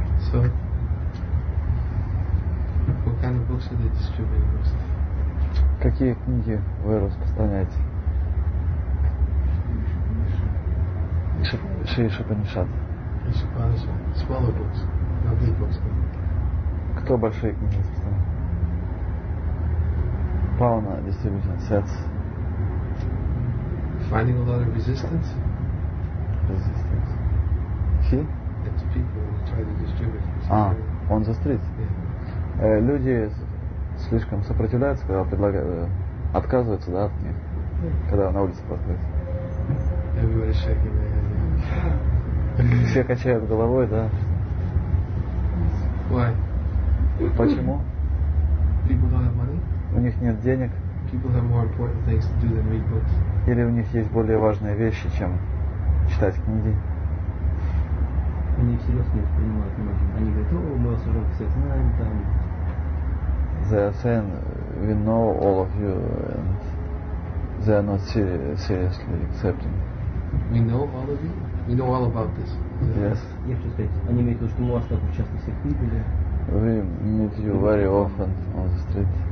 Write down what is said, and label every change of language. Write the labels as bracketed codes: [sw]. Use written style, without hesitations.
[en] So, what kind of books are they distributing most? [ru] Какие книги вы распространяете? Шри-Шупанишад. [en] Smaller books, not big books. [ru] Кто большие книги распространяет? [en] Пауна Distribution Sets. Finding a lot of resistance? Resistance. He? It's people who try to distribute. On the street? Yeah. [ru] Люди слишком сопротивляются, когда предлагают, отказываются, да, от них, когда на улице подходят. [en] Everybody's shaking their head. [ru] Все качают головой, да. [en] Why? [ru] Почему? [en] People don't have money? [ru] У них нет денег. [en] People have more important things to do than read books. [ru] Или у них есть более важные вещи, чем читать книги. Они всерьез не воспринимают внимание. Они говорят, мы вас уже все знаем, там. [en] They are saying, we know all of you, and they are not seriously accepting. We know all of you? We know all about this. Yes. [ru] Я хочу сказать, они имеют в виду, что мы вас так часто всех видели. [en] We meet you very often on the street.